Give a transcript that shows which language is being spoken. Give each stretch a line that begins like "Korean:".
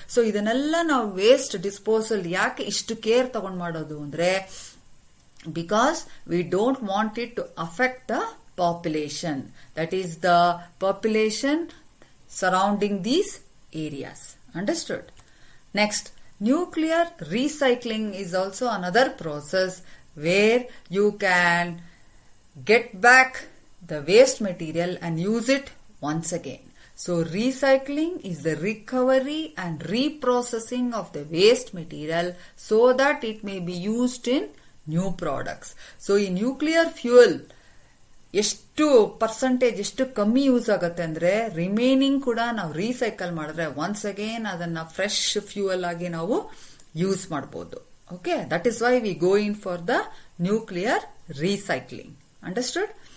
Kannada: So ಇದನ್ನೆಲ್ಲ ನಾವು waste disposal ಯಾಕೆ ಇಷ್ಟು ಕೇರ್ ತಗೊಂಡ್ ಮಾಡೋದು ಅಂದ್ರೆ,
English: Because we don't want it to affect the population, that is the population surrounding these areas. Understood? Next, nuclear recycling is also another process where you can get back the waste material and use it once again. So recycling is the recovery and reprocessing of the waste material so that it may be used in new products. So in nuclear fuel,
Kannada: ಎಷ್ಟು percentage ಎಷ್ಟು ಕಮ್ಮಿ use ಆಗುತ್ತೆ ಅಂದ್ರೆ, remaining ಕೂಡ ನಾವು recycle ಮಾಡಿದ್ರೆ once again ಅದನ್ನ fresh fuel ಆಗಿ ನಾವು ಯೂಸ್ ಮಾಡಬಹುದು.
English: Okay, that is why we go in for the nuclear recycling. Understood?